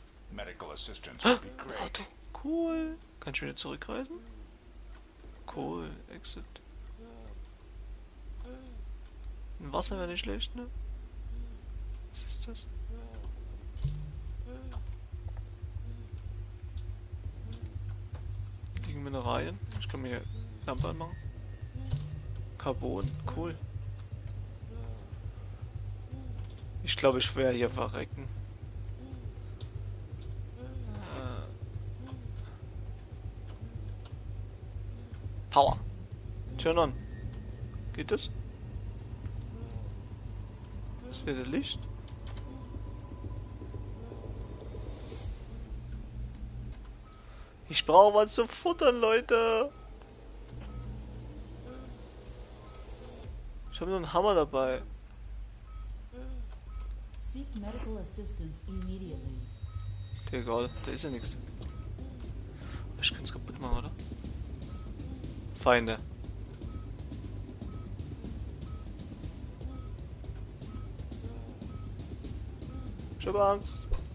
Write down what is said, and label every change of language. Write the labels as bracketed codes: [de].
[en] Medical assistance would be great. Cool. [de] Kann ich wieder zurückreisen? [en] Cool. Exit. [de] Ein Wasser wäre nicht schlecht, ne? Was ist das? Gegen Mineralien. Ich kann mir hier Lampe anmachen. Carbon. Cool. Ich glaube, ich werde hier verrecken. [en] Power. Turn on. [de] Geht das? Das wäre das Licht. Ich brauche was zu futtern, Leute. Ich habe nur einen Hammer dabei. [en] Seek medical assistance immediately. [de] Egal, da ist ja nichts. Ich könnte es kaputt machen, oder? Feinde. Ich habe Angst.